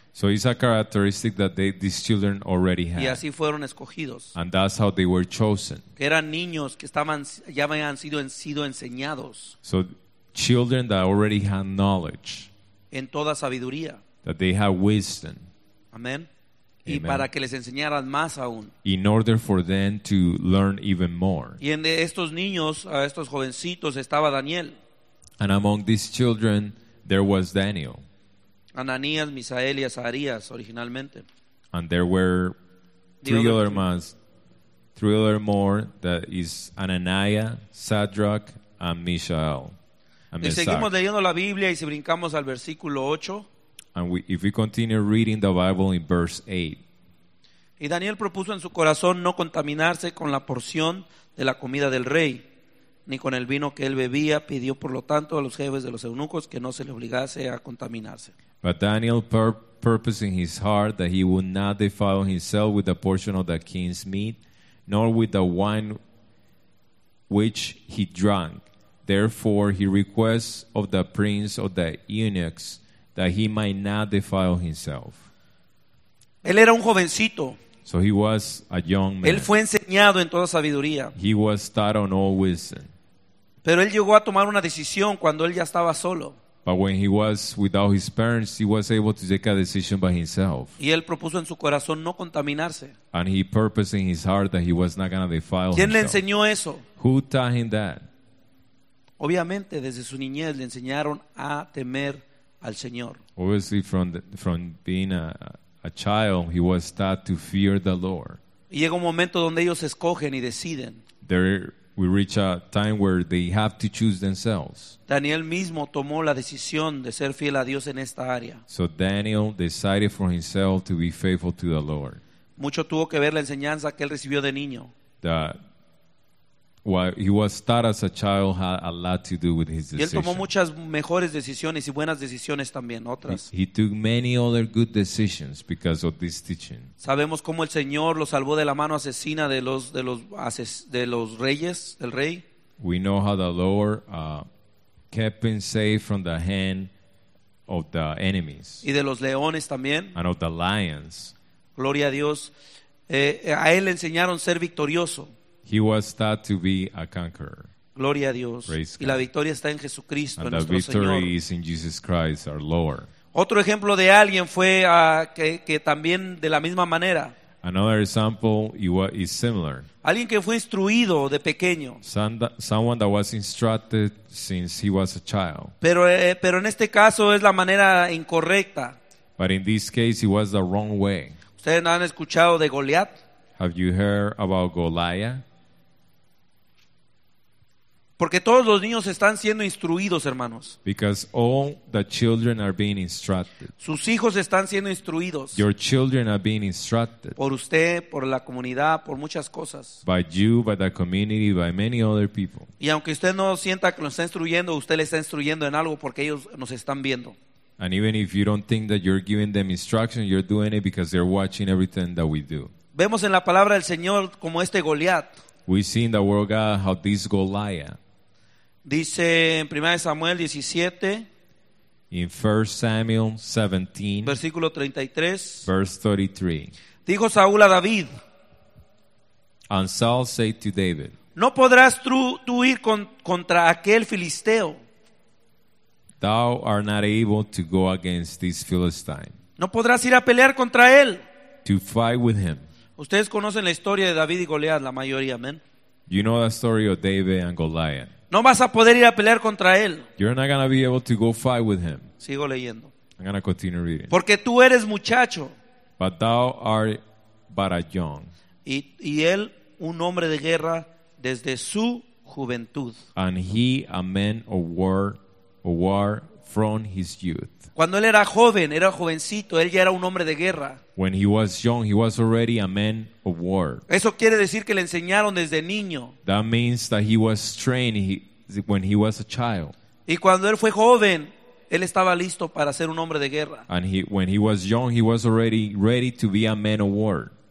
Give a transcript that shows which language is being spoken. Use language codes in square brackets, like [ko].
[en] So it's a characteristic that these children already had. [es] Y así fueron escogidos. [en] And that's how they were chosen. [es] Que eran niños que estaban ya habían sido enseñados. [en] So children that already had knowledge. [es] En toda sabiduría. [en] That they had wisdom. [es] Amen. Y Amen. Para que les enseñaran más aún. [en] In order for them to learn even more. [es] Y en estos niños, a estos jovencitos estaba Daniel. [en] And among these children, there was Daniel. [es] Ananías, Misael y Azarías, originalmente. [en] And there were three other more, that is Ananías, Sadrach, and Mishael. [es] Y seguimos leyendo la Biblia y si brincamos al versículo 8. [en] And if we continue reading the Bible in verse 8. [es] Y Daniel propuso en su corazón no contaminarse con la porción de la comida del rey. Ni con el vino que él bebía, pidió por lo tanto a los jefes de los eunucos que no se le obligase a contaminarse. [en] But Daniel purposed in his heart that he would not defile himself with a portion of the king's meat, nor with the wine which he drank. Therefore he requests of the prince of the eunuchs that he might not defile himself. [es] Él era un jovencito. [en] So he was a young man. [es] Él fue enseñado en toda sabiduría. [en] He was taught on all wisdom. [es] Pero él llegó a tomar una decisión cuando él ya estaba solo. [en] But when he was without his parents, he was able to take a decision by himself. [es] Y él propuso en su corazón no contaminarse. [en] And he purposed in his heart that he was not going to defile [es] ¿Quién [en] himself. [es] Le enseñó eso? [en] Who taught him that? [es] Obviamente, desde su niñez le enseñaron a temer al Señor. [en] Obviously, from being a child, he was taught to fear the Lord. [es] Y llega un momento donde ellos escogen y deciden. [en] We reach a time where they have to choose themselves. [es] Daniel mismo tomó la decisión de ser fiel a Dios en esta área. [en] So Daniel decided for himself to be faithful to the Lord. [es] Mucho tuvo que ver la enseñanza que él recibió de niño. [en] That while he was taught as a child had a lot to do with his decision. [es] Y él tomó muchas mejores decisiones y buenas decisiones también, otras. [en] He took many other good decisions because of this teaching. [es] Sabemos cómo el Señor lo salvó de la mano asesina de los reyes, del rey. [en] We know how the Lord kept him safe from the hand of the enemies. [es] Y de los leones también. [en] And of the lions. [es] Gloria a Dios. A él le enseñaron ser victorioso. [en] He was taught to be a conqueror. [es] Gloria a Dios. [en] Praise God. [es] Y la victoria está en Jesucristo, nuestro Señor. [en] And the victory is in Jesus Christ, our Lord. [es] Otro ejemplo de alguien fue que también de la misma manera. [en] Another example is similar. [es] Alguien que fue instruido de pequeño. [en] Someone that was instructed since he was a child. [es] Pero en este caso es la manera incorrecta. [en] But in this case, it was the wrong way. [es] ¿Ustedes no han escuchado de Goliat? [en] Have you heard about Goliath? [es] Porque todos los niños están siendo instruidos, hermanos. [en] Because all the children are being instructed. [es] Sus hijos están siendo instruidos. [en] Your children are being instructed. [es] Por usted, por la comunidad, por muchas cosas. [en] By you, by the community, by many other people. [es] Y aunque usted no sienta que lo está instruyendo, usted le está instruyendo en algo porque ellos nos están viendo. [en] And even if you don't think that you're giving them instruction, you're doing it because they're watching everything that we do. [es] Vemos en la palabra del Señor como este Goliat. [en] We see in the word God how this Goliath. [es] Dice en 1 Samuel 17. [en] In 1 Samuel 17. [es] Versículo 33. [en] Verse 33. [es] Dijo Saúl a David. [en] And Saul said to David. [es] No podrás tú ir contra aquel filisteo. [en] Thou art not able to go against this Philistine. [es] No podrás ir a pelear contra él. [en] To fight with him. [es] Ustedes conocen la historia de David y Goliat, la mayoría, amén. [en] You know the story of David and Goliath. [es] No vas a poder ir a pelear contra él. [en] You're not going to be able to go fight with him. [es] Sigo leyendo. [en] I'm going to continue reading. [es] Porque tú eres muchacho. [en] But thou art but a young. [es] Y él, un hombre de guerra desde su juventud. [en] And he, a man of war, from his youth. [es] Cuando él era joven, era jovencito, él ya era un hombre de guerra. [en] When he was young, he was already a man of war. [es] Eso quiere decir que le enseñaron desde niño. [en] That means that he was trained when he was a child. [es] Y cuando él fue joven, él estaba listo para ser un hombre de guerra. [en] And when he was young, he was already ready to be a man of war.